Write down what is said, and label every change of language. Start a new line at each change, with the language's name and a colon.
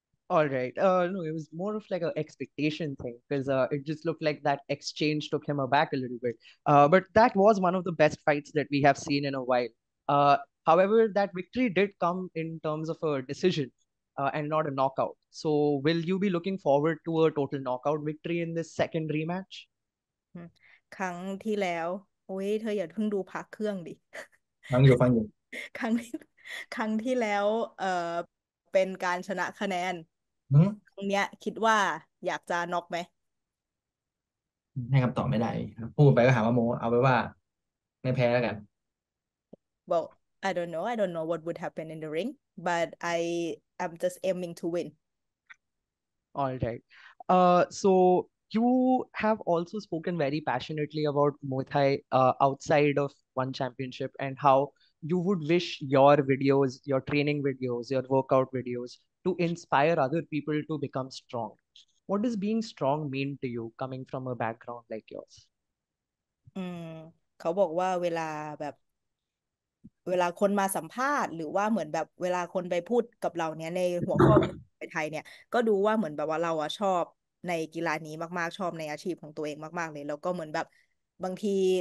English: All right. No, it was more of like an expectation thing because it just looked like that exchange took him aback a little bit. But that was one of the best fights that we have seen in a while. However, that victory did come in terms of a decision and not a knockout. So will you be looking forward to a total knockout victory in this second rematch?
Thai: ครั้งที่แล้วโอ้ยเธออย่าเพิ่งดูพักเครื่องดิ ฟังอยู่ฟังอยู่ ครั้งที่แล้วเป็นการชนะคะแนน หือ ตรงเนี้ยคิดว่าอยากจะน็อกไหม ให้คำตอบไม่ได้พูดไปก็หาว่าโม้เอาไปว่าไม่แพ้แล้วกัน
English: Well, I don't know what would happen in the ring, but I am just aiming to win. All right. So you have also spoken very passionately about Muay Thai outside of one championship and how you would wish your videos, your training videos, your workout videos to inspire other people to become strong. What does being strong mean to you coming from a background like yours?
Thai: เขาบอกว่าเวลาแบบเวลาคนมาสัมภาษณ์หรือว่าเหมือนแบบเวลาคนไปพูดกับเราเนี้ยในหัวข้อไปไทยเนี่ยก็ดูว่าเหมือนแบบว่าเราอะชอบในกีฬานี้มากๆชอบในอาชีพของตัวเองมากๆเลยแล้วก็เหมือนแบบบางที